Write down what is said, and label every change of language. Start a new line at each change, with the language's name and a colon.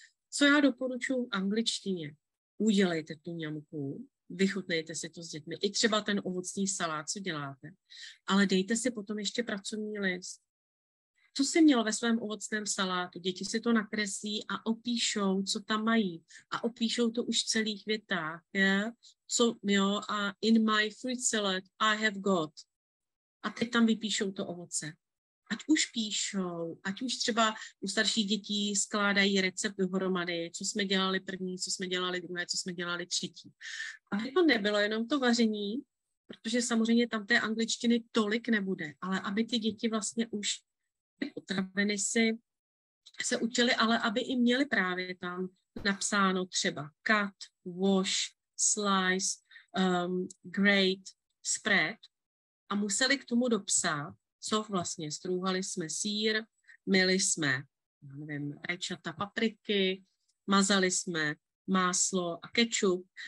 Czech: Co já doporučuji v angličtině, udělejte tu ňamku, vychutnejte si to s dětmi, i třeba ten ovocný salát, co děláte, ale dejte si potom ještě pracovní list. Co jsi měl ve svém ovocném salátu? Děti si to nakreslí a opíšou, co tam mají. A opíšou to už v celých větách. Je? Co, jo, a
English: in my fruit salad I have got.
Czech: A teď tam vypíšou to ovoce. Ať už píšou, ať už třeba u starších dětí skládají recept dohromady, co jsme dělali první, co jsme dělali druhé, co jsme dělali třetí. A to nebylo jenom to vaření, protože samozřejmě tam té angličtiny tolik nebude, ale aby ty děti vlastně už potraveny si se učili, ale aby i měli právě tam napsáno třeba
English: cut, wash, slice, grate, spread
Czech: a museli k tomu dopsat, co vlastně strouhali jsme sýr, myli jsme, nevím, rajčata, papriky, mazali jsme máslo a kečup.